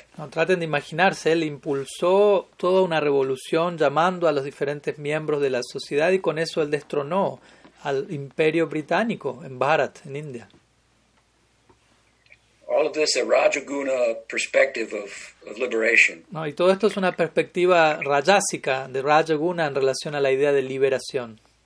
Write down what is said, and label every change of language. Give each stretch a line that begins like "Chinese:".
Spanish: Traten de imaginarse, él impulsó toda una revolución llamando a los diferentes miembros de la sociedad y con eso él destronó al imperio británico en Bharat, en India.
English: All of this a Rajaguna perspective of liberation.
Spanish: No, y todo esto es una perspectiva rayásica de Rajaguna en relación a la idea de liberación.